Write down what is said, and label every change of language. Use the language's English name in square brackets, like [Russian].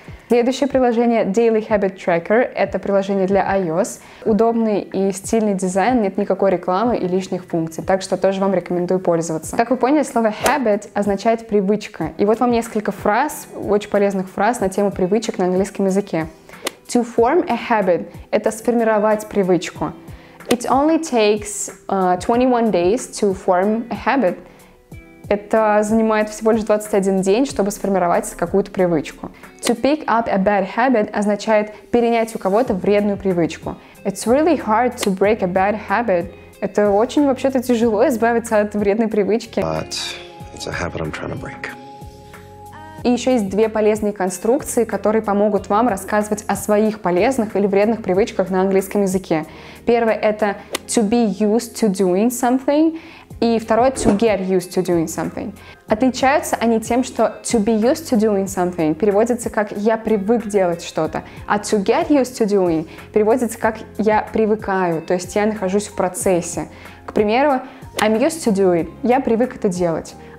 [Russian] Следующее приложение Daily Habit Tracker – это приложение для iOS. Удобный и стильный дизайн, нет никакой рекламы и лишних функций, так что тоже вам рекомендую пользоваться. Как вы поняли, слово habit означает привычка. И вот вам несколько фраз, очень полезных фраз на тему привычек на английском языке. [English] To form a habit – [Russian] это сформировать привычку. [English] It only takes 21 days to form a habit. [Russian] Это занимает всего лишь 21 день, чтобы сформировать какую-то привычку. [English] To pick up a bad habit [Russian] означает перенять у кого-то вредную привычку. [English] It's really hard to break a bad habit. [Russian] Это очень вообще-то тяжело избавиться от вредной привычки. [English] But it's a habit I'm trying to break. [Russian] И еще есть две полезные конструкции, которые помогут вам рассказывать о своих полезных или вредных привычках на английском языке. Первое – это [English] to be used to doing something, [Russian] и второе – [English] to get used to doing something. [Russian] Отличаются они тем, что [English] to be used to doing something [Russian] переводится как «я привык делать что-то», а [English] to get used to doing [Russian] переводится как «я привыкаю», то есть «я нахожусь в процессе». К примеру, [English] I'm used to doing [Russian] – «я привык это делать».